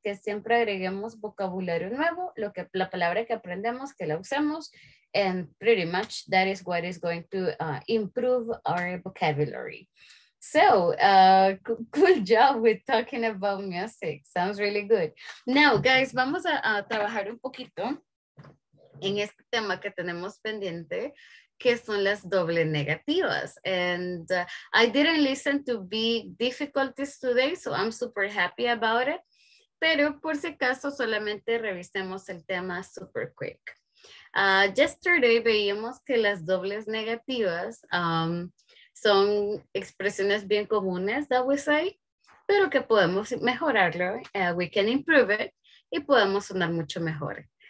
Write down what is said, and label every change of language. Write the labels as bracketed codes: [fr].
[es] Que siempre agreguemos vocabulario nuevo, lo que la palabra que aprendemos, que la usemos. [en] And pretty much that is what is going to improve our vocabulary. So cool job with talking about music. Sounds really good. Now, guys, [es] vamos a trabajar un poquito en este tema que tenemos pendiente, que son las doble negativas. [en] And I didn't listen to big difficulties today, so I'm super happy about it. [es] Pero por si acaso, solamente revisemos el tema [en] super quick. Yesterday [es] veíamos que las dobles negativas son expresiones bien comunes, [en] that we say, [es] pero que podemos mejorarlo, [en] we can improve it, [es] y podemos sonar mucho mejor.